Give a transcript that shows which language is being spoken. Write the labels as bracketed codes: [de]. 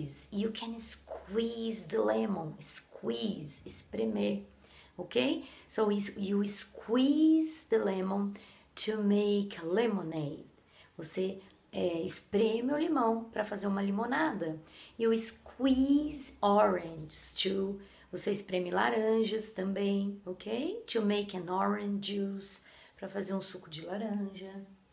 [en] You can squeeze the lemon. Squeeze, espremer. Ok? So you squeeze the lemon to make lemonade. [pt] Você espreme o limão para fazer uma limonada. [en] You squeeze oranges too. [pt] Você espreme laranjas também, ok? [en] To make an orange juice. [pt] Para fazer um suco de laranja.